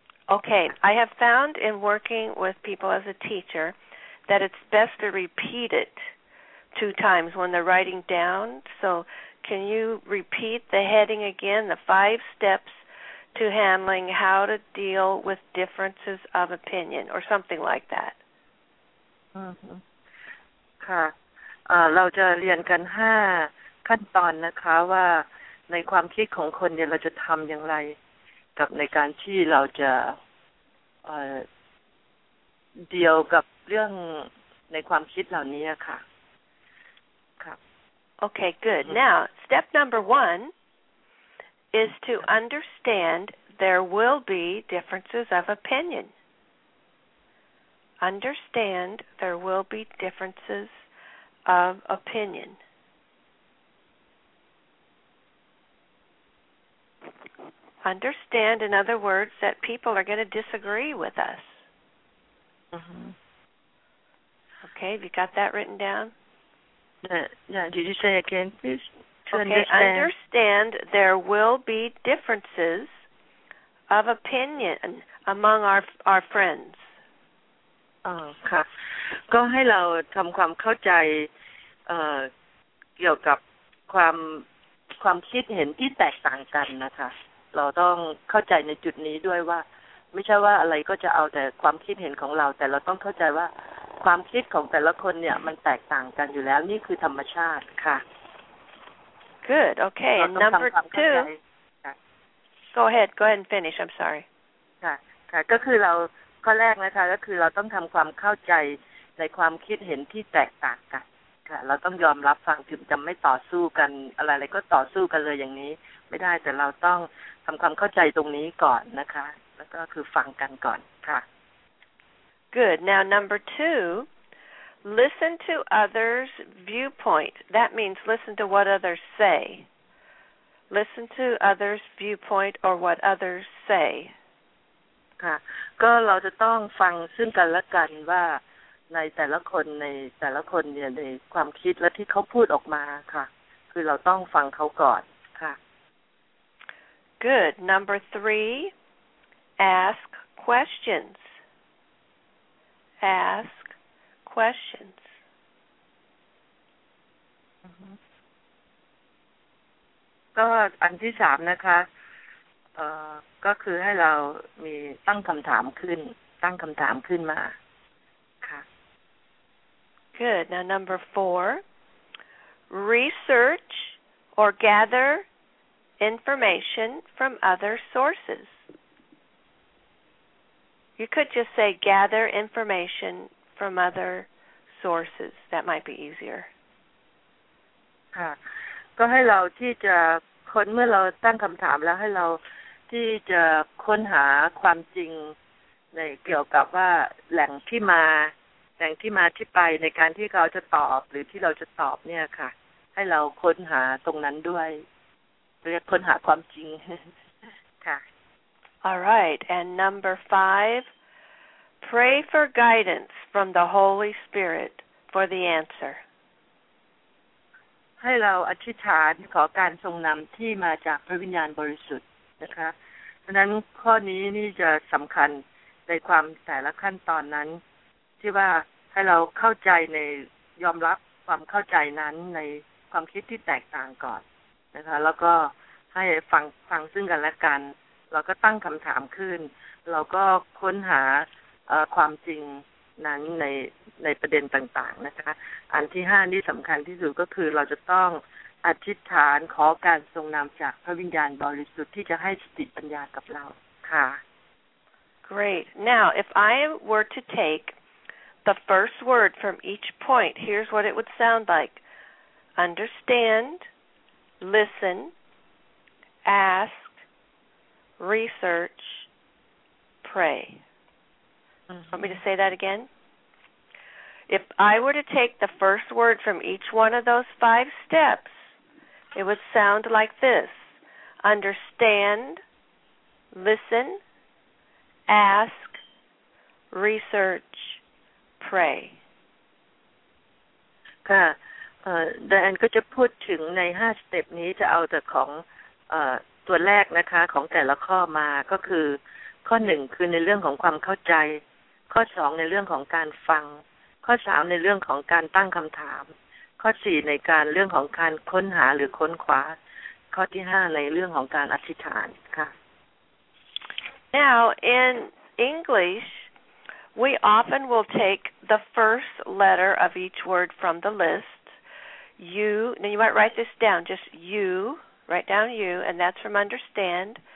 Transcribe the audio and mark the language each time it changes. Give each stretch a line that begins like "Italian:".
English: Okay, I have found in working with people as a teacher that it's best to repeat it 2 times when they're writing down. So can you repeat the heading again, the 5 steps to handling how to deal with differences of opinion or something like that?
Thai: Mm-hmm. ค่ะ เราจะเรียนกัน5 ขั้นตอนนะคะว่าในความคิดของคนเนี่ยเราจะทำอย่างไรกับในการที่เราจะเดียวกับเรื่องในความคิดเหล่านี้ค่ะครับ
English: Okay, good. Now, step number 1 is to understand there will be differences of opinion. Understand there will be differences of opinion. Understand, in other words, that people are going to disagree with us. Mm-hmm. Okay, have you got that written down? Yeah, did you say again, please? Understand there will be differences of opinion among our friends. Okay.
Thai: ก็ให้เราทำความเข้าใจเกี่ยวกับความคิดเห็นที่แตกต่างกันนะคะเราต้องเข้าใจในจุดนี้ด้วยว่าไม่ใช่ว่าอะไรก็จะเอาแต่ความคิดเห็นของเราแต่เราต้องเข้าใจว่าความคิดของแต่ละคนเนี่ยมันแตกต่างกันอยู่แล้วนี่คือธรรมชาติค่ะ
English: Good okay and number 2 go ahead finish I'm sorry
Thai: ค่ะก็คือเราข้อแรกนะคะก็คือเราต้องทำความเข้าใจในความคิดเห็นที่แตกต่างกันค่ะเราต้องยอมรับฟังถึงจะไม่ต่อสู้กันอะไรๆก็ต่อสู้กันเลยอย่างนี้ไม่ได้แต่เราต้องทำความเข้าใจตรงนี้ก่อนนะคะแล้วก็คือฟังกันก่อนค่ะ
English: Good. Now number 2, listen to others' viewpoint. That means listen to what others say. Listen to others' viewpoint or what others say.
Thai: ค่ะก็เราจะต้องฟังซึ่งกันและกันว่าในแต่ละคนเนี่ยในความคิดและที่เขาพูดออกมาค่ะคือเราต้องฟังเขาก่อนค่ะ
English: Good. Number 3, ask questions. Ask questions.
Thai: ก็อันที่สามนะคะก็คือให้เรามีตั้งคำถามขึ้นมาค่ะ
English: Good. Now number 4, research or gather information from other sources. You could just say gather information from other sources. That might be easier.
Thai: ค่ะก็ให้เราที่จะค้นเมื่อเราตั้งคำถามแล้วให้เราที่จะค้นหาความจริงในเกี่ยวกับว่าแหล่งที่มาที่ไปในการที่เราจะตอบหรือที่เราจะตอบเนี่ยค่ะให้เราค้นหาตรงนั้นด้วย เรียกค้นหาความจริง ค่ะ
English: All right, and number 5, pray for guidance from the Holy Spirit for the answer.
Thai: ให้เราอธิษฐานขอการทรงนำที่มาจากพระวิญญาณบริสุทธิ์นะคะดังนั้นข้อนี้นี่จะสำคัญในความแต่ละขั้นตอนนั้นที่ว่าให้เราเข้าใจในยอมรับความเข้าใจนั้นในความคิดที่แตกต่างก่อนนะคะแล้วก็ให้ฟังซึ่งกันและกันเราก็ตั้งคำถามขึ้นเราก็ค้นหา ความจริงนั้นในประเด็นต่างๆนะคะอันที่5นี่สำคัญที่สุดก็คือเราจะต้องอธิษฐานขอการทรงนำจากพระวิญญาณบริสุทธิ์ที่จะให้สติปัญญากับเราค่ะ
English: Great now if I were to take the first word from each point here's what it would sound like understand listen askResearch, pray. Mm-hmm. Want me to say that again? If I were to take the first word from each one of those five steps, it would sound like this. Understand, listen, ask, research, pray.
Thai: ค่ะ Dan ก็จะพูดถึงใน5สเต็ปนี้จะเอาแต่ของตัวแรกนะคะของแต่ละข้อมาก็คือข้อ1คือในเรื่องของความเข้าใจข้อ2ในเรื่องของการฟังข้อ3ในเรื่องของการตั้งคำถามข้อ4ในการเรื่องของการค้นหาหรือค้นคว้าข้อที่5ในเรื่องของการอธิษฐานค่ะ
English: Now in English we often will take the first letter of each word from the list you now you might write this down just youWrite down U, and that's from understand.